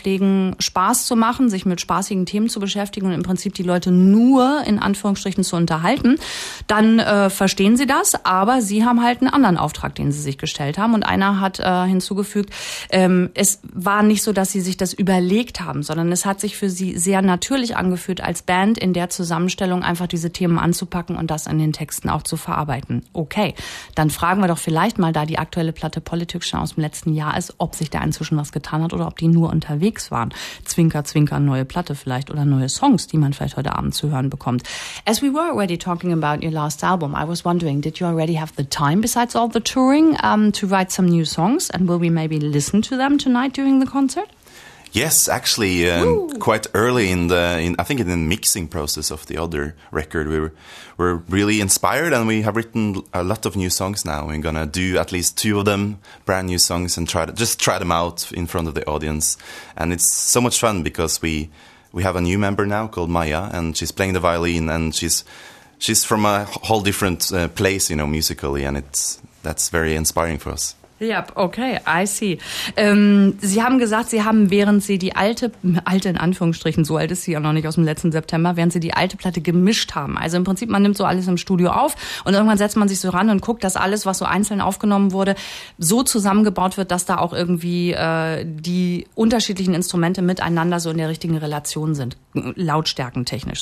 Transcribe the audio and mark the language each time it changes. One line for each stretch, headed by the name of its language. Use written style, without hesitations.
German: legen, Spaß zu machen, sich mit spaßigen Themen zu beschäftigen und im Prinzip die Leute nur in Anführungsstrichen zu unterhalten, dann verstehen sie das, aber sie haben halt einen anderen Auftrag, den sie sich gestellt haben. Und einer hat hinzugefügt, es war nicht so, dass sie sich das überlegt haben, sondern es hat sich für sie sehr natürlich angefühlt, als Band in der Zusammenstellung einfach diese Themen anzupacken und das in den Texten auch zu verarbeiten. Okay, dann fragen wir doch vielleicht mal, da die aktuelle Platte Politik schon aus dem letzten Jahr ist, ob sich da inzwischen was getan hat oder ob die nur unterwegs waren. Zwinker, zwinker, neue Platte vielleicht oder neue Songs, die man vielleicht heute Abend zu hören bekommt.
English: As we were already talking about your last album, I was wondering, did you already have the time besides all the touring to write some new songs and will we maybe listen to them tonight during the concert? Yes, actually, quite early in the mixing process of the other record, we're really inspired and we have written a lot of new songs now. We're gonna do at least two of them, brand new songs, and try them out in front of the audience. And it's so much fun because we have a new member now called Maya, and she's playing the violin, and she's from a whole different place, you know, musically, and that's very inspiring for us. Ja, yep, okay, I see.
German: Sie haben gesagt, Sie haben, während Sie die alte in Anführungsstrichen, so alt ist sie ja noch nicht aus dem letzten September, während Sie die alte Platte gemischt haben. Also im Prinzip, man nimmt so alles im Studio auf und irgendwann setzt man sich so ran und guckt, dass alles, was so einzeln aufgenommen wurde, so zusammengebaut wird, dass da auch irgendwie die unterschiedlichen Instrumente miteinander so in der richtigen Relation sind, lautstärkentechnisch.